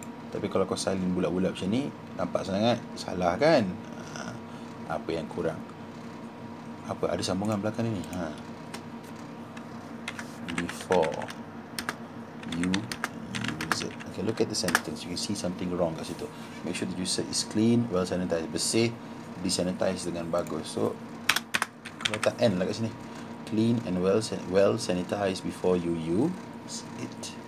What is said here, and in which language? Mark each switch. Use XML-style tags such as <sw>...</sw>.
<ms>Tapi kalau kau salin bulat-bulat macam ni, nampak sangat salah kan? Apa yang kurang? Apa, ada sambungan belakang ni? Ha.</ms> <en>Before you use it. Okay, look at the sentence. You can see something wrong</en> <ms>kat situ.</ms> <en>Make sure the juicer is clean, well sanitized.</en> <ms>Bersih, disanitize dengan bagus.</ms> <en>So,</en> <ms>letak N lah kat sini.</ms> <en>Clean and well sanitized before you use it.</en>